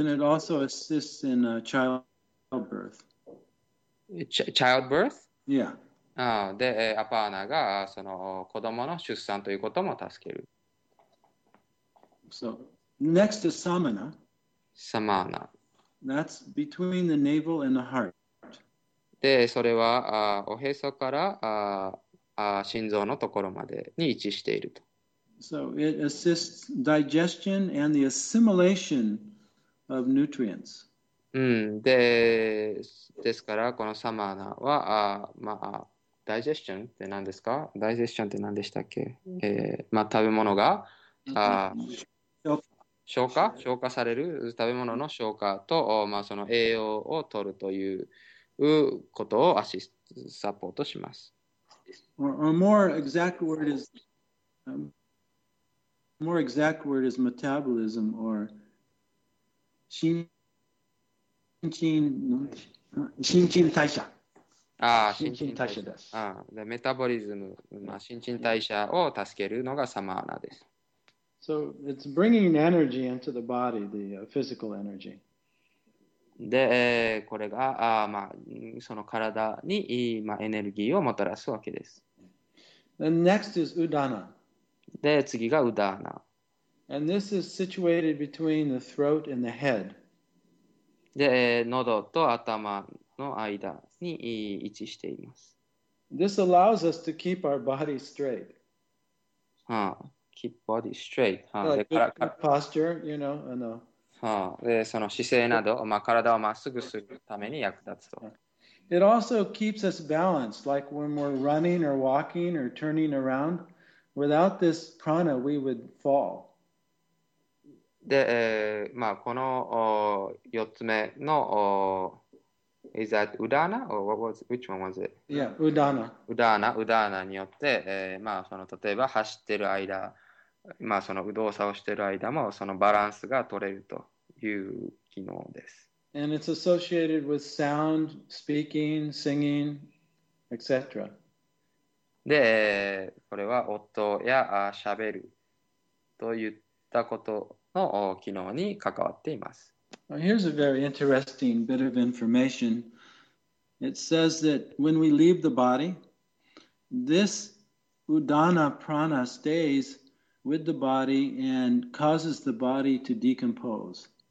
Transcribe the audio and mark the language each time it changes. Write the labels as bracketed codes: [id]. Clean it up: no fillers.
[en] And it also assists in childbirth. Childbirth? Yeah. [ja] ああ、で、アパーナがその子供の出産ということも助ける。 [en] So, next is samana. Samana. That's between the navel and the heart. [ja] で、それは、おへそから、心臓のところまでに位置していると。 [en] So, it assists digestion and the assimilation of nutrients. [ja] うん、で、ですから、このサマーナは、まあ、ダイジェスチョンって何ですか？ダイジェスチョンって何でしたっけ？まあ、食べ物が、消化される食べ物の消化と、まあ、その栄養を取るということをサポートします。 [en] Or more exact word is, more exact word is metabolism or shin chin taisha. [ja] ああ、新陳代謝です。ああ、で、メタボリズム、まあ、新陳代謝を助けるのがサマーナです。 [en] So it's bringing energy into the body, the physical energy. [ja] で、これが、まあ、その体に、まあ、エネルギーをもたらすわけです。 [en] The next is udana. [ja] で、次がウダーナ。 [en] And this is situated between the throat and the head. [ja] で、喉と頭の間に位置しています。 [en] This allows us to keep our body straight. はあ。Keep body straight. Like good posture, you know. [ja] その姿勢など、まあ、体をまっすぐするために役立つと。 [en] It also keeps us balanced, like when we're running or walking or turning around. Without this prana, we would fall. [ja] で、まあ、この4つ目の、 [en] Is that Udana? Or what was, which one was it? Yeah, Udana. [ja] Udana, Udana によって、まあ、その例えば走ってる間、まあ、その動作をしている間もそのバランスが取れるという機能です。 [en] And it's associated with sound, speaking, singing, etc. [ja] で、これは音や喋るといったことの機能に関わっています。 [en] Well, here's a very interesting bit of information. It says that when we leave the body, this udana prana stays with the body and causes the body to decompose.